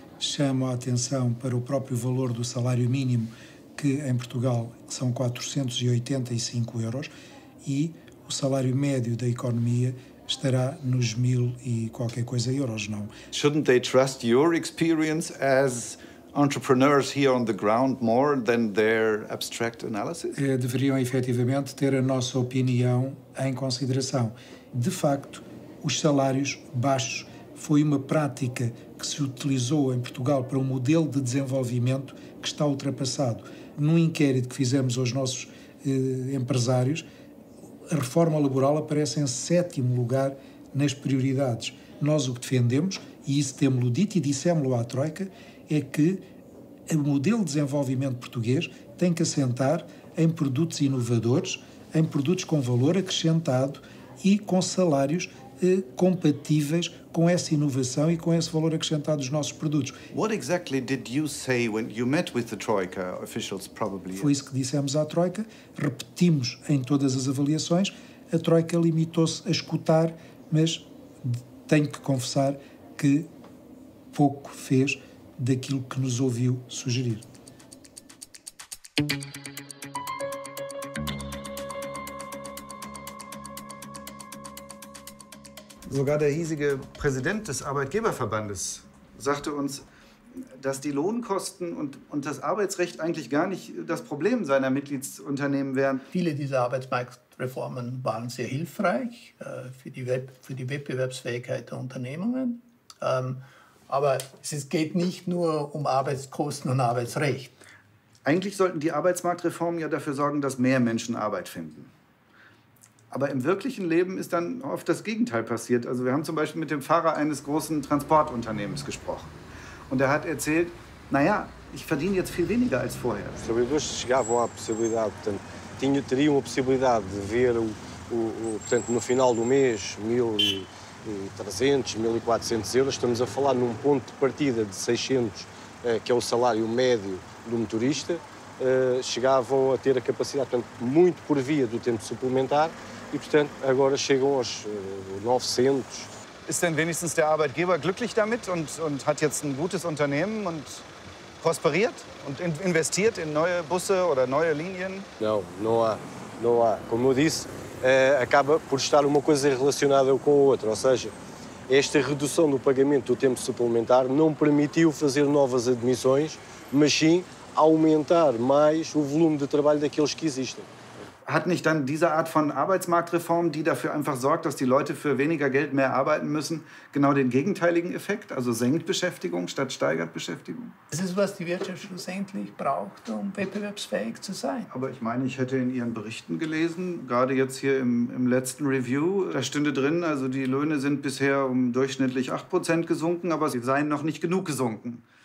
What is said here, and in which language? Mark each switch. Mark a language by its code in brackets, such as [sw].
[pt] Chamo a atenção para o próprio valor do salário mínimo, que em Portugal são 485 euros, e o salário médio da economia estará nos 1,000 e qualquer coisa euros, não. [en] Shouldn't they trust your experience as entrepreneurs here on the ground more than their abstract analysis? [pt] Deveriam efetivamente ter a nossa opinião em consideração. De facto, os salários baixos foi uma prática que se utilizou em Portugal para um modelo de desenvolvimento que está ultrapassado. Num inquérito que fizemos aos nossos empresários, a reforma laboral aparece em sétimo lugar nas prioridades. Nós o que defendemos, e isso temos-lo dito e dissemos-lo à Troika, é que o modelo de desenvolvimento português tem que assentar em produtos inovadores, em produtos com valor acrescentado e com salários compatíveis com essa inovação e com esse valor acrescentado dos nossos produtos. [en] What exactly did you say when you met with the Troika officials, probably? [pt] Foi isso que dissemos à Troika, repetimos em todas as avaliações. A Troika limitou-se a escutar, mas tenho que confessar que pouco fez daquilo que nos ouviu sugerir. [de] Sogar der hiesige Präsident des Arbeitgeberverbandes sagte uns, dass die Lohnkosten und das Arbeitsrecht eigentlich gar nicht das Problem seiner Mitgliedsunternehmen wären. Viele dieser Arbeitsmarktreformen waren sehr hilfreich für die Wettbewerbsfähigkeit der Unternehmungen. Aber es geht nicht nur um Arbeitskosten und Arbeitsrecht. Eigentlich sollten die Arbeitsmarktreformen ja dafür sorgen, dass mehr Menschen Arbeit finden. Aber im wirklichen Leben ist dann oft das Gegenteil passiert. Also wir haben zum Beispiel mit dem Fahrer eines großen Transportunternehmens gesprochen. Und er hat erzählt, naja, ich verdiene jetzt viel weniger als vorher. [pt] Die Trabalhadores chegavam à possibilidade, portanto, teriam a possibilidade de ver portanto, no final do mês, 1.300, 1.400 euros. Estamos a falar num ponto de partida de 600, que é o salário médio do motorista. Chegavam a ter a capacidade, portanto, muito por via do tempo suplementar e, portanto, agora chegam aos 900. [de] Ist denn wenigstens der Arbeitgeber glücklich damit und hat jetzt ein gutes Unternehmen und prosperiert und investiert in neue Busse oder neue Linien? [pt] Não há. Como eu disse, acaba por estar uma coisa relacionada com a outra, ou seja, esta redução do pagamento do tempo suplementar não permitiu fazer novas admissões, mas sim aumentar mais o volume de trabalho daqueles que existem. [de] Hat nicht dann diese Art von Arbeitsmarktreform, die dafür einfach sorgt, dass die Leute für weniger Geld mehr arbeiten müssen, genau den gegenteiligen Effekt, also senkt Beschäftigung statt steigert Beschäftigung? Das ist, was die Wirtschaft schlussendlich braucht, um wettbewerbsfähig zu sein. Aber ich meine, ich hätte in Ihren Berichten gelesen, gerade jetzt hier im letzten Review, da stünde drin, also die Löhne sind bisher um durchschnittlich 8% gesunken, aber sie seien noch nicht genug gesunken.